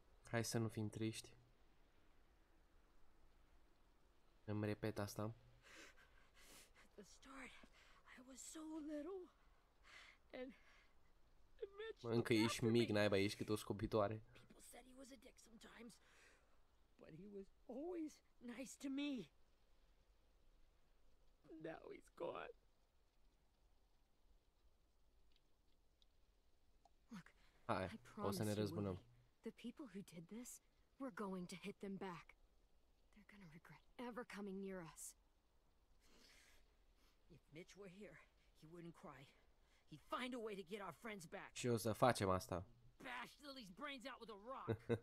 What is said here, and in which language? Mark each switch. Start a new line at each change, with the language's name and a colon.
Romanian: Hai să nu fim triști. Îmi repet asta.
English: The start, I was so little and
Romanian: mă, încă ești mic, naiba, ești cât o scopitoare.
English: People said he was a dick sometimes, but he was always nice to me. Now he's gone.
Romanian: Look, hai, o să ne răzbunăm.
English: The people who did this, we're going to hit them back. They're gonna regret ever coming near us. If Mitch were here, he wouldn't cry. He'd find a way to get our friends back.
Romanian: Și o să facem asta.
English: Bash Lily's brains out with a rock.